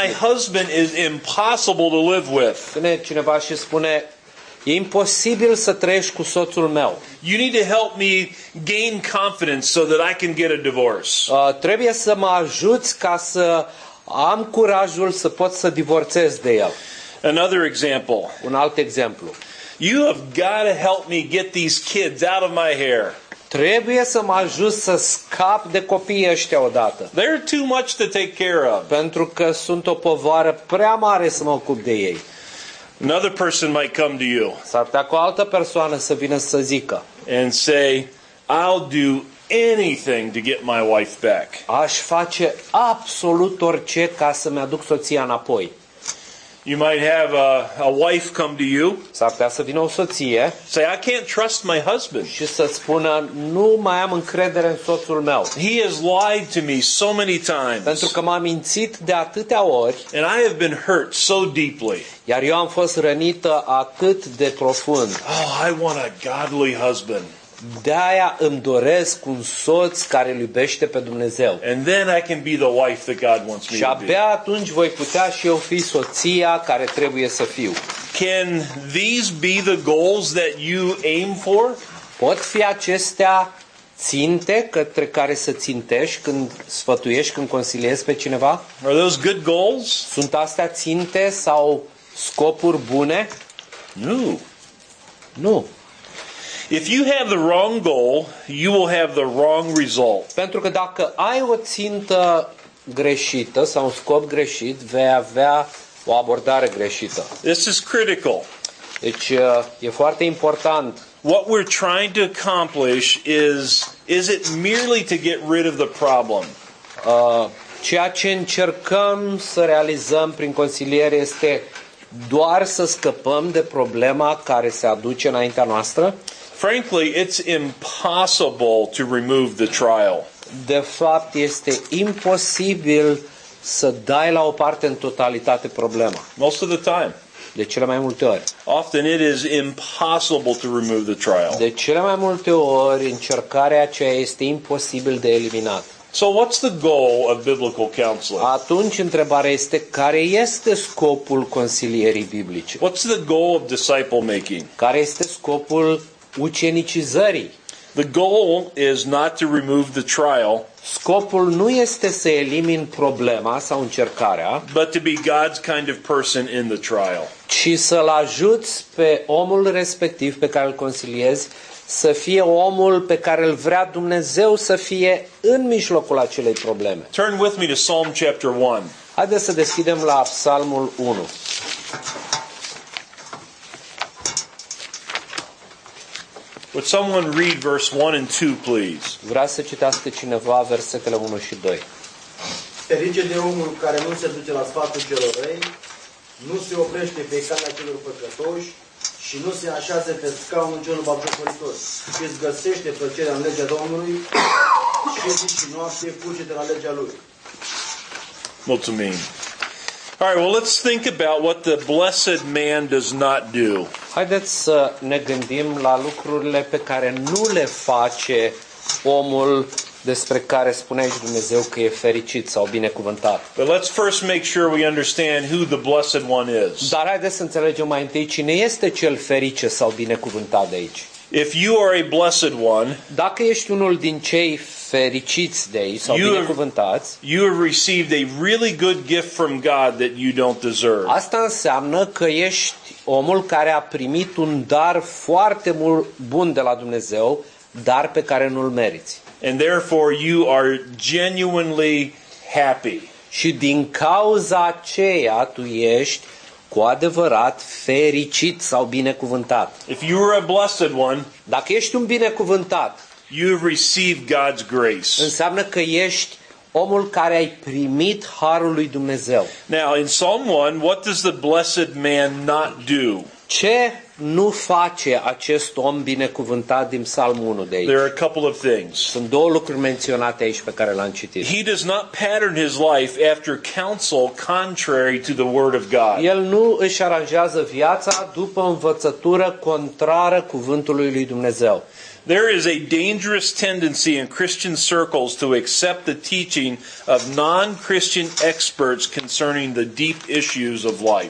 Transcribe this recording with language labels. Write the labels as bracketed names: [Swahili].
[English] My husband is impossible to live with. [Romanian] Când cineva și spune, e imposibil să trăiești cu soțul meu. [English] You need to help me gain confidence so that I can get a divorce. [Romanian] Trebuie să mă ajuți ca să am curajul să pot să divorțez de el. [English] Another example. [Romanian] Un alt exemplu. [English] You have got to help me get these kids out of my hair. [Romanian] Trebuie să mă ajut să scap de copiii ăștia odată. [English] They're too much to take care of. [Romanian] Pentru că sunt o povară prea mare să mă ocup de ei. [English] Another person might come to you. [Romanian] S-ar putea cu o altă persoană să vină să zică. [English] And say, I'll do anything to get my wife back. [Romanian] Aș face absolut orice ca să-mi aduc soția înapoi. [English] You might have a wife come to you. [Romanian] S-ar putea să vină o soție. [English] Say, I can't trust my husband. [Romanian] Și să spună, nu mai am încredere în soțul meu. [English] He has lied to me so many times. [Romanian] Pentru că m-a mințit de atâtea ori. [English] And I have been hurt so deeply. [Romanian] Iar eu am fost rănită atât de profund. [English] Oh, I want a godly husband. [Romanian] De-aia îmi doresc un soț care îl iubește pe Dumnezeu. [English] And then I can be the wife that God wants me to be. [Romanian] Și abia atunci voi putea și eu fi soția care trebuie să fiu. [English] Can these be the goals that you aim for? [Romanian] Pot fi acestea ținte către care să țintești când sfătuiești, când consiliezi pe cineva? [English] Are those good goals? [Romanian] Sunt astea ținte sau scopuri bune? Nu. Nu. [English] If you have the wrong goal, you will have the wrong result. [Romanian] Pentru că dacă ai o țintă greșită sau un scop greșit, vei avea o abordare greșită. [English] This is critical. [Romanian] Deci e foarte important. [English] What we're trying to accomplish is it merely to get rid of the problem? [Romanian] Ceea ce încercăm să realizăm prin consiliere este doar să scăpăm de problema care se aduce înaintea noastră? [English] Frankly, it's impossible to remove the trial. [Romanian] De fapt, este imposibil să dai la o parte în totalitate problema. [English] Most of the time. [Romanian] De cele mai multe ori. [English] Often it is impossible to remove the trial. [Romanian] De cele mai multe ori, încercarea aceea este imposibil de eliminat. [English] So what's the goal of biblical counseling? [Romanian] Atunci întrebarea este care este scopul consilierii biblice? [English] What's the goal of disciple making? [Romanian] Care este scopul ucenicizării? [English] The goal is not to remove the trial. [Romanian] Scopul nu este să elimin problema sau încercarea, [English] but to be God's kind of person in the trial. [Romanian] Ci să-l ajuți pe omul respectiv pe care îl consiliezi să fie omul pe care îl vrea Dumnezeu să fie în mijlocul acelei probleme. [English] Turn with me to Psalm chapter 1. [Romanian] Haideți să deschidem la Psalmul 1. [English] Would someone read verse 1 and 2, please? [Romanian] Vrea să citească cineva versetele 1 și 2. Ferice de omul care nu se duce la sfatul celor răi, nu se oprește pe calea celor păcătoși, și nu se așează pe scaunul celor băbucuritori, ci îți găsește plăcerea în legea Domnului și zi și noapte fuge de la legea Lui. Mulțumim. [English] All right, well, let's think about what the blessed man does not do. [Romanian] Haideți să ne gândim la lucrurile pe care nu le face omul despre care spune aici Dumnezeu că e fericit sau binecuvântat. [English] But let's first make sure we understand who the blessed one is. [Romanian] Dar haideți să înțelegem mai întâi cine este cel fericit sau binecuvântat de aici. [English] If you are a blessed one, [Romanian] dacă ești unul din cei fericiți de ei sau binecuvântați, [English] you have received a really good gift from God that you don't deserve. [Romanian] Asta înseamnă că ești omul care a primit un dar foarte mult bun de la Dumnezeu, dar pe care nu-l meriți. [English] And therefore you are genuinely happy. [Romanian] Și din cauza aceea tu ești cu adevărat fericit sau binecuvântat. [English] If you are a blessed one, [Romanian] dacă ești un binecuvântat, [English] you have received God's grace. [Romanian] Înseamnă că ești omul care ai primit harul lui Dumnezeu. [English] Now, in Psalm 1, what does the blessed man not do? [Romanian] Ce nu face acest om binecuvântat din Psalm 1 de aici? [English] There are a couple of things. [Romanian] Sunt două lucruri menționate aici pe care le-am citit. [English] He does not pattern his life after counsel contrary to the word of God. [Romanian] El nu își aranjează viața după învățătură contrară cuvântului lui Dumnezeu. [English] There is a dangerous tendency in Christian circles to accept the teaching of non-Christian experts concerning the deep issues of life.